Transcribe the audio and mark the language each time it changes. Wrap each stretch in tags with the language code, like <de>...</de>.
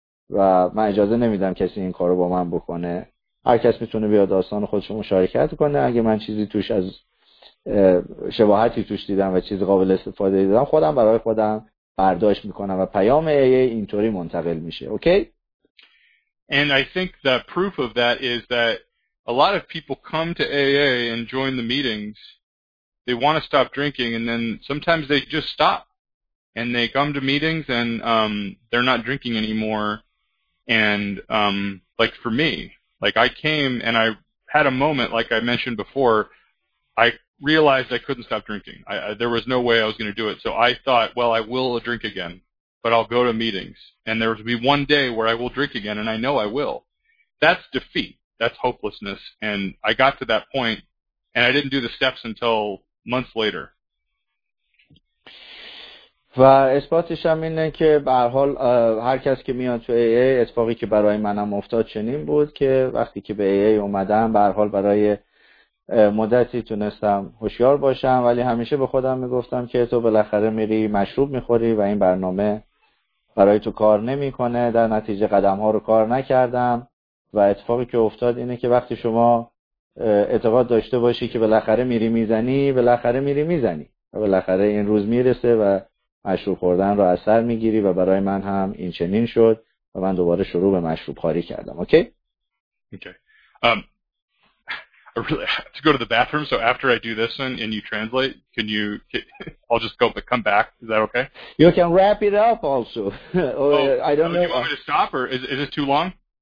<fa>و من اجازه نمیدم کسی این کارو با من بکنه. هر کس میتونه بیاد داستان خودش رو مشارکت کنه. اگه من چیزی توش از شباهتی توش دیدم و چیزی قابل استفاده دیدم، خودم برای خودم برداشت میکنم و پیام AA اینطوری منتقل میشه.</fa> <en>Okay? And I think the proof of that is that a lot of people come to AA and join the meetings. They want to stop drinking and then sometimes they just stop. And they come to meetings and they're not drinking anymore. And like for me, like I came and I had a moment, like I mentioned before, I realized I couldn't stop drinking. There was no way I was going to do it. So I thought, well, I will drink again, but I'll go to meetings. And there will be one day where I will drink again, and I know I will. That's defeat. That's hopelessness. And I got to that point, and I didn't do the steps until months later.</en> <fa>و اثباتش هم اینه که به هر حال هر کس که میاد تو AA، اتفاقی که برای منم افتاد چنین بود که وقتی که به AA اومدم، به هر حال برای مدتی تونستم هوشیار باشم، ولی همیشه به خودم میگفتم که تو بالاخره میری مشروب میخوری و این برنامه برای تو کار نمیکنه. در نتیجه قدم ها رو کار نکردم و اتفاقی که افتاد اینه که وقتی شما اعتقاد داشته باشی که بالاخره میری میزنی، بالاخره میری میزنی و بالاخره این روز میرسه و مشروب خوردن رو اثر میگیری و برای من هم این چنین شد و من دوباره شروع به مشروب خوری کردم.</fa> <en>Okay. I really have to go to the bathroom, so after I do this one and you translate, I'll just go but come back. Is that okay? You can wrap it up also. Oh, I don't know. Do you want me to stop or is it too long?</en>